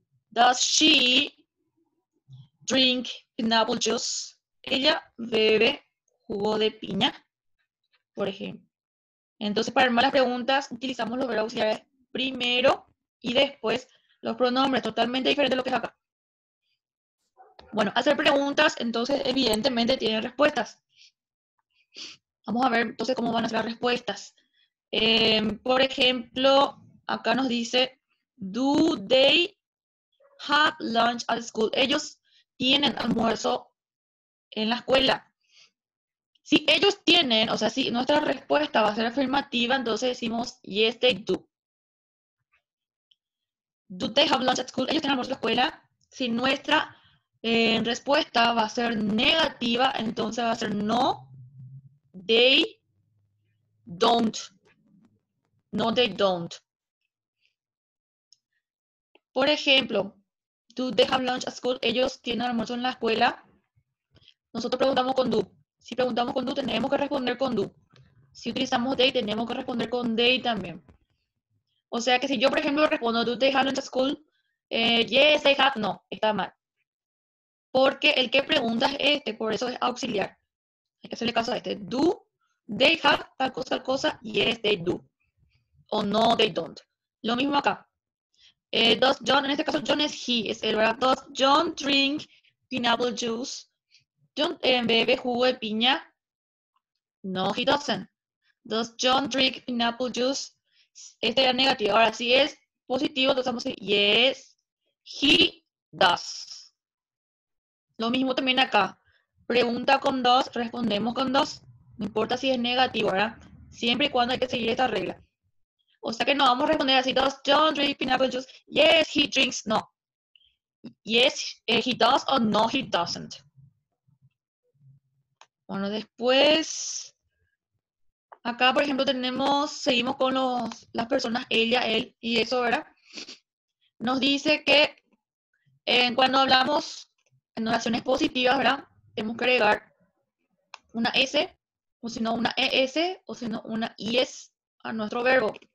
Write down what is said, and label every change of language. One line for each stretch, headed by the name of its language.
English: Does she drink pineapple juice?
Spanish: ¿Ella bebe jugo de piña? Por ejemplo. Entonces, para armar las preguntas, utilizamos los verbos auxiliares primero y después los pronombres, totalmente diferente de lo que es acá. Bueno, hacer preguntas, entonces, evidentemente, tiene respuestas. Vamos a ver, entonces, cómo van a ser las respuestas. Por ejemplo, acá nos dice,
English: do they have lunch at school?
Spanish: Ellos tienen almuerzo en la escuela. Si ellos tienen, o sea, si nuestra respuesta va a ser afirmativa, entonces decimos,
English: yes, they do. Do they have lunch at school?
Spanish: ¿Ellos tienen almuerzo en la escuela? Si nuestra respuesta va a ser negativa, entonces va a ser
English: no, they don't. No, they don't.
Spanish: Por ejemplo,
English: do they have lunch at school?
Spanish: ¿Ellos tienen almuerzo en la escuela? Nosotros preguntamos con do. Si preguntamos con do, tenemos que responder con do. Si utilizamos they, tenemos que responder con they también. O sea que si yo, por ejemplo, respondo,
English: do they have lunch at school? Yes, they have.
Spanish: No, está mal. Porque el que pregunta es este, por eso es auxiliar. Hay que hacerle caso a este.
English: Do they have
Spanish: tal cosa,
English: yes, they do.
Spanish: O no,
English: they don't.
Spanish: Lo mismo acá. Does John, en este caso, John es he, es él, ¿verdad?
English: Does John drink pineapple juice?
Spanish: John bebe jugo de piña.
English: No, he doesn't. Does John drink pineapple juice?
Spanish: Este era negativo. Ahora, si es positivo, entonces vamos a decir,
English: yes, he does.
Spanish: Lo mismo también acá. Pregunta con does, respondemos con does. No importa si es negativo, ¿verdad? Siempre y cuando hay que seguir esta regla. O sea que no vamos a responder así,
English: does John drink pineapple juice? Yes, he drinks.
Spanish: No.
English: Yes, he does or no, he doesn't.
Spanish: Bueno, después, acá, por ejemplo, tenemos, seguimos con las personas, ella, él, y eso, ¿verdad? Nos dice que cuando hablamos en oraciones positivas, ¿verdad? Tenemos que agregar una S, o si no una ES, o si no una IS a nuestro verbo.